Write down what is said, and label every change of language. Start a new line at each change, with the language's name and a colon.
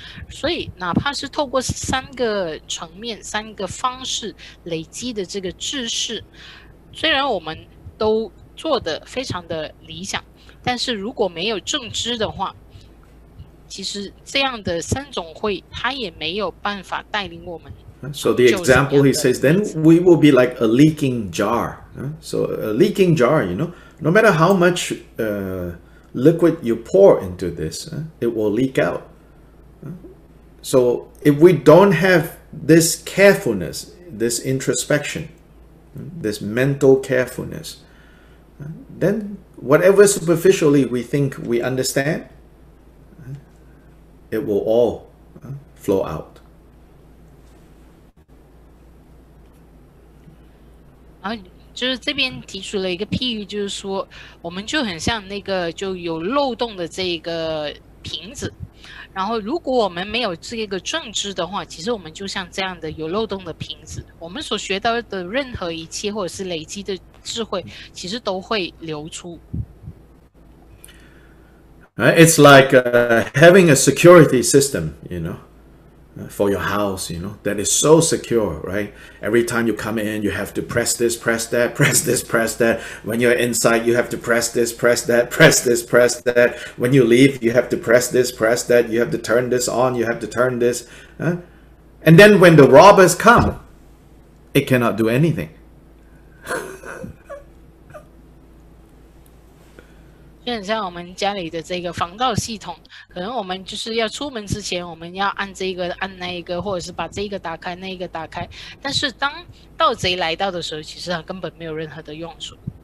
Chinese: 所以哪怕是透过三个层面三个方式累积的这个知识，虽然我们都做得非常的理想，但是如果没有正知的话，其实这样的三种会他也没有办法带领我们。
English: So the example he says, then we will be like a leaking jar. So a leaking jar, you know, no matter how much liquid you pour into this, it will leak out. So if we don't have this carefulness, this introspection, this mental carefulness, then whatever superficially we think we understand, it will all flow out.
Chinese: 然后就是这边提出了一个譬喻，就是说我们就很像那个就有漏洞的这个瓶子，然后如果我们没有这个正知的话，其实我们就像这样的有漏洞的瓶子，我们所学到的任何一切或者是累积的智慧其实都会流出。
English: It's like having a security system, you know, for your house, you know, that is so secure, right? Every time you come in, you have to press this, press that, press this, press that. When you're inside, you have to press this, press that, press this, press that. When you leave, you have to press this, press that. You have to turn this on, you have to turn this. And then when the robbers come, it cannot do anything.
Chinese: 就很像我们家里的这个防盗系统，可能我们就是要出门之前我们要按这个按那一个，或者是把这个打开那个打开，但是当盗贼来到的时候，其实它根本没有任何的用处。